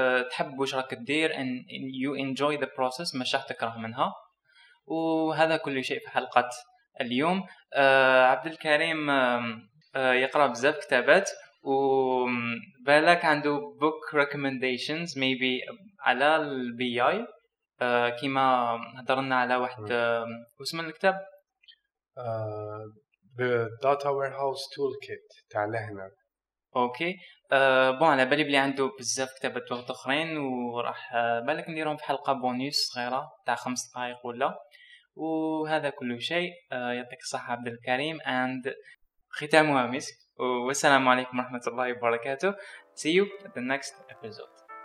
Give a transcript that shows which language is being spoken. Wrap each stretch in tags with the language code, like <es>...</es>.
<ar>تحب واش راك دير</ar> <en>and you enjoy the process</en> <ar>مش راح تكره منها وهذا كل شيء في حلقة اليوم عبد الكريم يقرأ بزاف كتابات و بالك عنده</ar> <en>book recommendations maybe</en> <ar>على البي اي كيما هضرنا على واحد اسم الكتاب</ar> <en>The Data Warehouse Toolkit تاع لهنا</en> <ar>اوكي بون على بالي بلي عنده بزاف كتابات وقت اخرين وراح بالك نديرهم في حلقه بونيس صغيره تاع 5 دقائق ولا وهذا كل شيء يعطيك الصحه عبد الكريم and ختامها مسك والسلام عليكم ورحمة الله وبركاته.</ar> <en>See you at the next episode.</en>